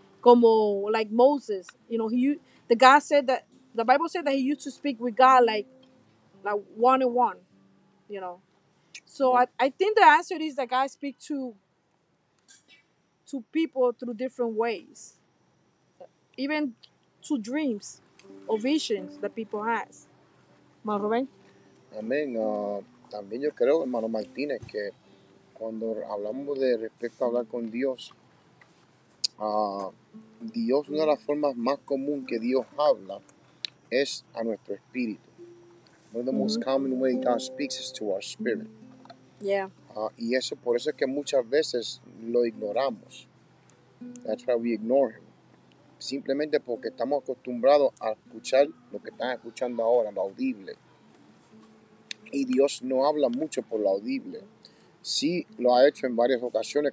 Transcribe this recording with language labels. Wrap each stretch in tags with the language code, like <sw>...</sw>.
<es>Como,</es> <en>like Moses. You know, the Bible said that he used to speak with God like one-on-one, you know. So I think the answer is that God speaks to people through different ways. Even to dreams or visions that people have.</en> <es>Hermano Rubén. Amén. También yo creo, hermano Martínez, que cuando hablamos de respecto a hablar con Dios, Dios, una de las formas más común que Dios habla es a nuestro espíritu.</es> <en>One of the most common way God speaks is to our spirit.</en> <es>Y eso, por eso es que muchas veces lo ignoramos.</es> <en>That's why we ignore him.</en> <es>Simplemente porque estamos acostumbrados a escuchar lo que están escuchando ahora, lo audible. Y Dios no habla mucho por lo audible. Sí, lo ha hecho en varias ocasiones.</es>